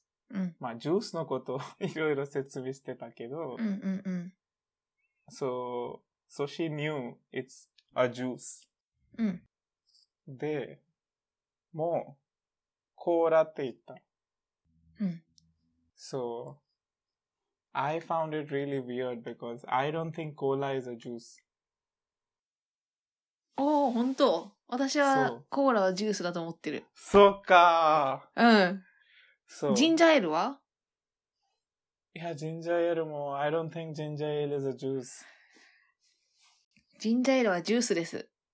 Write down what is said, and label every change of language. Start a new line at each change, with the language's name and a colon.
Japanese: うん、まあ、ジュースのこと、いろいろ説明してたけど。うんうんうん。
English: So she knew it's a juice.
Japanese: うん。で、もう、コーラって言った。うん。
English: So, I found it really weird because I don't think cola is a juice.
Japanese: おー、ほんと。私は、コーラはジュースだと思ってる。そっかー。うん。So, ジンジャーエールは？いや、ジンジャーエールも、
English: I don't think ジンジャーエール is a juice.
Japanese: ジンジャーエールはジュースです。